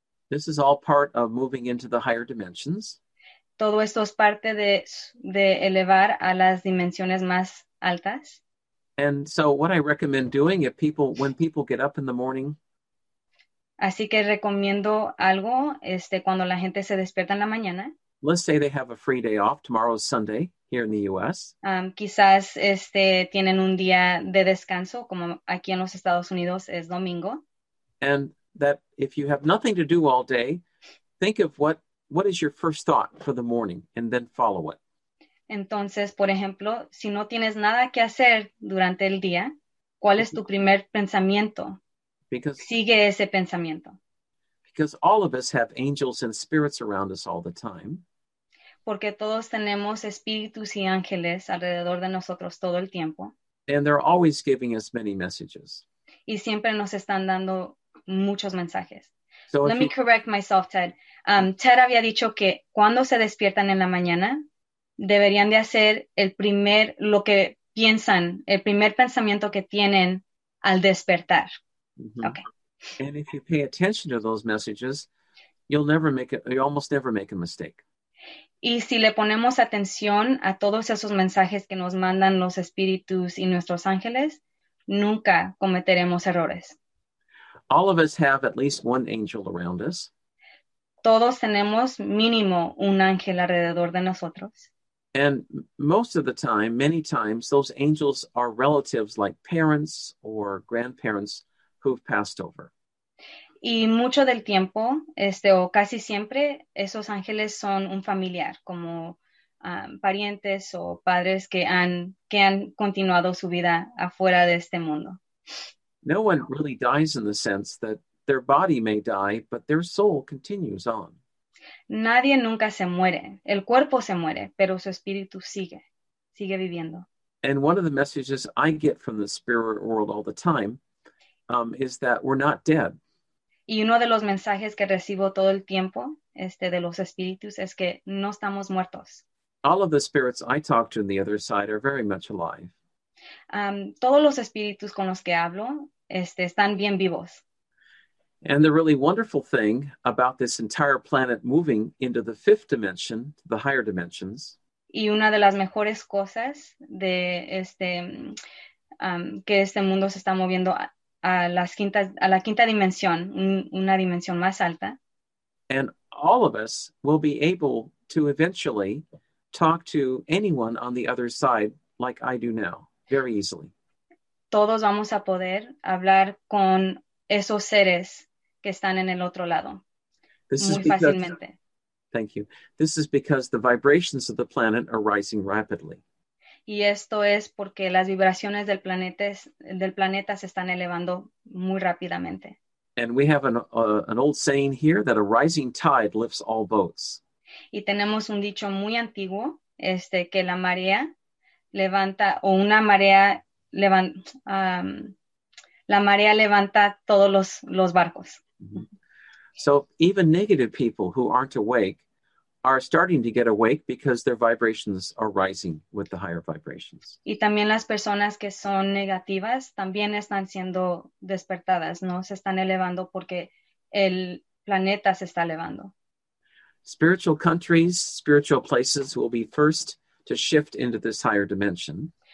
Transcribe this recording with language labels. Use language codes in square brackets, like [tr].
[en] This is all part of moving into the higher dimensions. [es] Todo esto es parte de elevar a las dimensiones más altas. [en] And so what I recommend doing when people get up in the morning. [es] Así que recomiendo algo cuando la gente se despierta en la mañana. [en] Let's say they have a free day off. Tomorrow is Sunday here in the U.S. [es] Quizás tienen un día de descanso, como aquí en los Estados Unidos es domingo. [en] And that if you have nothing to do all day, think of what is your first thought for the morning, and then follow it. [es] Entonces, por ejemplo, si no tienes nada que hacer durante el día, ¿cuál es tu primer pensamiento? [en] Because, [es] sigue ese pensamiento. [en] Because all of us have angels and spirits around us all the time. [es] Porque todos tenemos espíritus y ángeles alrededor de nosotros todo el tiempo. [en] And they're always giving us many messages. [es] Y siempre nos están dando muchos mensajes. [en] So let me correct myself, Ted. [es] Ted había dicho que cuando se despiertan en la mañana, deberían de hacer el primer pensamiento que tienen al despertar. Mm-hmm. Okay. [en] And if you pay attention to those messages, you almost never make a mistake. [es] Y si le ponemos atención a todos esos mensajes que nos mandan los espíritus y nuestros ángeles, nunca cometeremos errores. [en] All of us have at least one angel around us. [es] Todos tenemos mínimo un ángel alrededor de nosotros. [en] And most of the time, many times, those angels are relatives like parents or grandparents who've passed over. [es] Y mucho del tiempo, o casi siempre, esos ángeles son un familiar, como parientes o padres que han continuado su vida afuera de este mundo. [en] No one really dies in the sense that their body may die, but their soul continues on. [es] Nadie nunca se muere. El cuerpo se muere, pero su espíritu sigue viviendo. [en] And one of the messages I get from the spirit world all the time is that we're not dead. [es] Y uno de los mensajes que recibo todo el tiempo de los espíritus es que no estamos muertos. [en] All of the spirits I talk to on the other side are very much alive. [es] Todos los espíritus con los que hablo están bien vivos. [en] And the really wonderful thing about this entire planet moving into the fifth dimension, the higher dimensions. [es] Y una de las mejores cosas de que este mundo se está moviendo a la quinta dimensión, una dimensión más alta. [en] And all of us will be able to eventually talk to anyone on the other side like I do now, very easily. [es] Todos vamos a poder hablar con esos seres que están en el otro lado, fácilmente. [en] Thank you. This is because the vibrations of the planet are rising rapidly. [es] Y esto es porque las vibraciones del planeta se están elevando muy rápidamente. [en] And we have an old saying here that a rising tide lifts all boats. [es] Y tenemos un dicho muy antiguo, que la marea levanta, o una marea levanta, la marea levanta todos los barcos. [en] So even negative people who aren't awake are starting to get awake because their vibrations are rising with the higher vibrations. [es] Y también las personas que son negativas también están siendo despertadas, ¿no? Se están elevando porque el planeta se está elevando. [en] Spiritual countries, spiritual places will be first to shift into this higher dimension.